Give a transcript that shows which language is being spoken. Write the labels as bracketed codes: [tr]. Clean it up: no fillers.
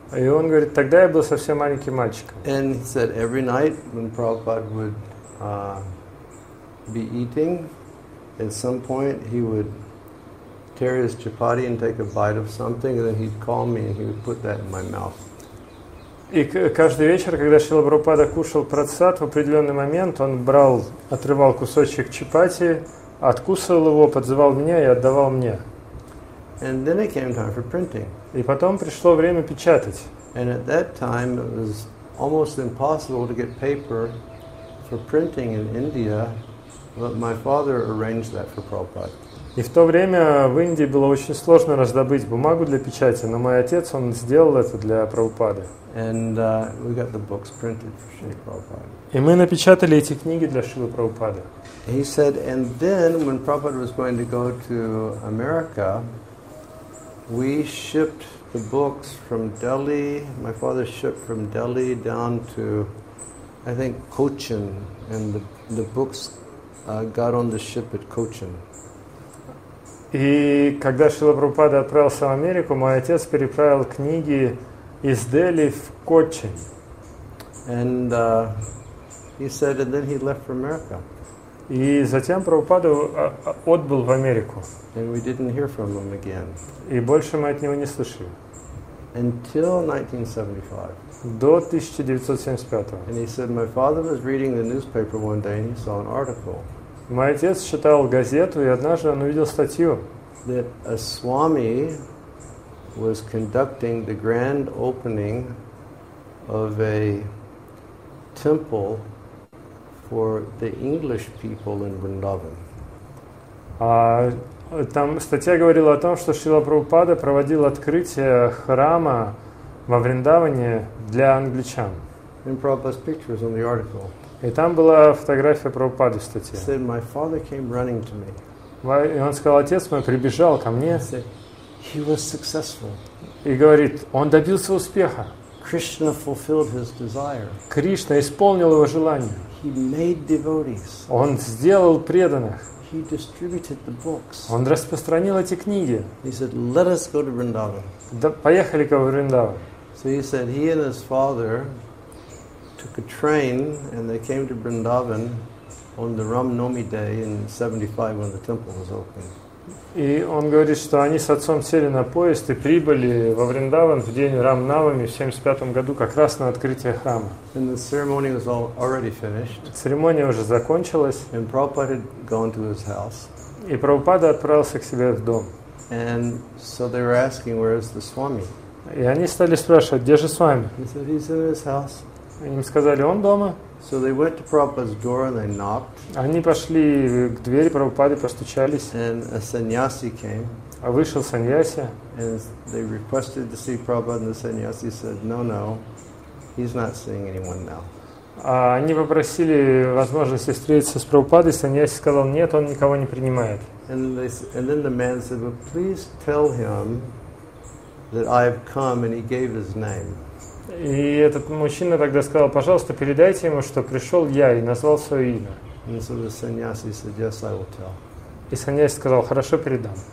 [ru] И он говорит, тогда я был совсем маленьким мальчиком. [en] And he said, every night when Prabhupada would be eating, at some point he would tear his chapati and take a bite of something, and then he'd call me and he would put that in my mouth. [ru] И каждый вечер, когда Шрила Прабхупада кушал прасад, в определенный момент он брал, отрывал кусочек чапати, откусывал его, подзывал меня и отдавал мне. [en] And then it came time for printing. [ru] И потом пришло время печатать. [en] And at that time it was almost impossible to get paper for printing in India. But my father arranged that for Prabhupada. [ru] И в то время в Индии было очень сложно раздобыть бумагу для печати, но мой отец, он сделал это для Прабхупады. [en] And we got the books printed for Shri Prabhupada. [ru] И мы напечатали эти книги для Шрилы Прабхупады. [en] He said, and then when Prabhupada was going to go to America, we shipped the books from Delhi. My father shipped from Delhi down to, I think, Cochin, and the books got on the ship at Cochin. [ru] И когда Шрила Прабхупада отправился в Америку, мой отец переправил книги из Дели в Кочин. [en] And he said, and then he left for America. [ru] И затем Прабхупада отбыл в Америку. [en] And we didn't hear from him again. [ru] И больше мы от него не слышали. [en] Until 1975. [ru] До 1975. [en] And he said, my father was reading the newspaper one day and he saw an article. [ru] Мой отец читал газету, и однажды он увидел статью. [en] That a swami was conducting the grand opening of a temple for the English people in Vrindavan. [ru] Там статья говорила о том, что Шрила Прабхупада проводил открытие храма во Вриндаване для англичан. [en] And Prabhupada's picture was on the article. [ru] И там была фотография Прабхупады в статье. [en] He said, my father came running to me. [ru] И он сказал, отец мой прибежал ко мне. [en] He said, he was successful. [ru] И говорит, он добился успеха. [en] Krishna fulfilled his desire. [ru] Кришна исполнил его желание. [en] He made devotees. [ru] Он сделал преданных. [en] He distributed the books. [ru] Он распространил эти книги. [en] He said, "Let us go to Vrindavan." [ru] Да, поехали ко Вриндаван. [en] So he said he and his father took a train and they came to Vrindavan on the Ram Nomi day in 75 when the temple was opened. [ru] И он говорит, что они с отцом сели на поезд и прибыли во Вриндаван в день Рам Навами в 75 году, как раз на открытие храма. [en] And the ceremony was already finished. [ru] Церемония уже закончилась. [en] And Prabhupada had gone to his house. [ru] И Прабхупада отправился к себе в дом. [en] And so they were asking, where is the Swami? [ru] И они стали спрашивать, где же Свами? [en] He said, he's in his house. [ru] И им сказали, он дома. [en] So they went to Prabhupada's door and they knocked. [ru] Они пошли к двери Прабхупады, постучались. [en] And a sannyasi came. [ru] А вышел саньяси. [en] And they requested to see Prabhupada, and the sannyasi said, "No, no, he's not seeing anyone now." [ru] А они попросили возможности встретиться с Прабхупадой, саньяси сказал, "Нет, он никого не принимает." [en] And then the man said, "But please tell him that I have come," and he gave his name. [ru] И этот мужчина тогда сказал, пожалуйста, передайте ему, что пришел я и назвал свое имя. [en] And so the sannyasi said, yes, I will tell. [ru] И саньяси сказал, хорошо, передам.